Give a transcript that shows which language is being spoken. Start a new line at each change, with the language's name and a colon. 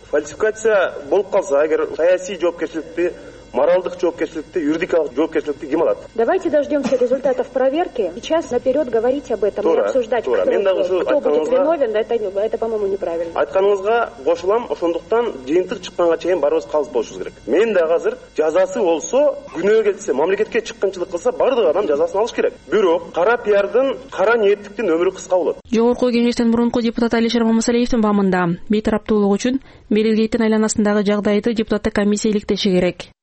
Kyrgyz: Фальсификация болуп калса, эгер саясий жоопкерчиликти моралдык жоопкерчиликти, юридикалык жоопкерчиликти ким алат?
Russian: Давайте дождемся результатов проверки. Сейчас наперед говорить об этом, не обсуждать, кто будет виновен, это, по-моему, неправильно.
Kyrgyz: Айтканыңызга кошулам, ошондуктан жыйынтык чыкканга чейин баарыбыз калыс болушубуз керек. Мен да азыр жазасы болсо, күнөө келсе, мамлекетке чыккынчылык кылса, бардык адам жазасын алыш керек. Бирок кара пиардын, кара ниеттиктин өмүрү кыска болот. Жогорку кеңештин мурунку депутаты Алишер Мамасалиевдин баамында бейтараптуулугу үчүн Белизгейттин айланасындагы жагдайды депутаттык комиссия иликтеши керек.